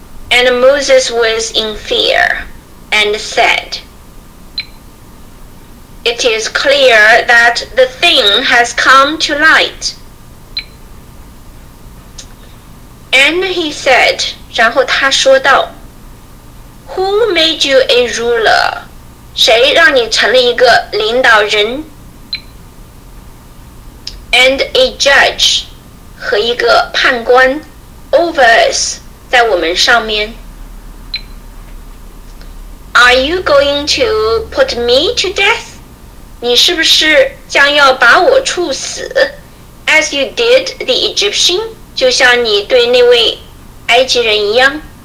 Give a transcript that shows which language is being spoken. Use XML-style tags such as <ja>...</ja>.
<en>And Moses was in fear and said, It is clear that the thing has come to light. And he said,</en> <zh>然后他说道,</zh> <en>Who made you a ruler?</en> <zh>谁让你成了一个领导人?</zh> <en>And a judge,</en> <zh>和一个判官,</zh> <en>over us,</en> <zh>在我们上面。</zh> <en>Are you going to put me to death?</en> <zh>你是不是将要把我处死?</zh> <en>As you did the Egyptian?</en> <zh>就像你对那位埃及人一样。</zh>